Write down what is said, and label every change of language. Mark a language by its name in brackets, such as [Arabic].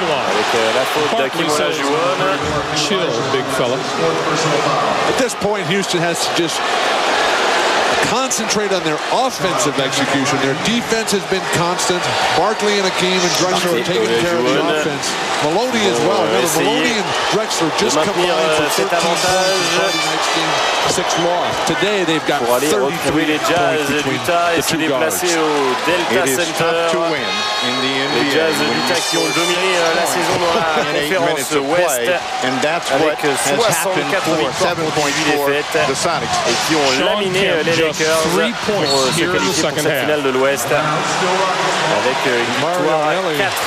[French] Avec la faute d'Hakeem Olajuwon. [English] Chill, big fella. At this point, Houston has to just concentrate on their offensive execution. Their defense has been constant. Barkley and Hakeem and Drexler are taking care of the offense. Maloney as well. Maloney and Drexler just combined for 13 points in Friday night's game. Six more. Today they've got 33 points between the two guards. It is tough to win in the NBA. [French] Les Jazz de Utah qui ont dominé la saison dans la conférence Ouest avec 64-7.8 défaites et qui ont laminé les Lakers pour se qualifier pour cette finale de l'Ouest avec une victoire à 4-1.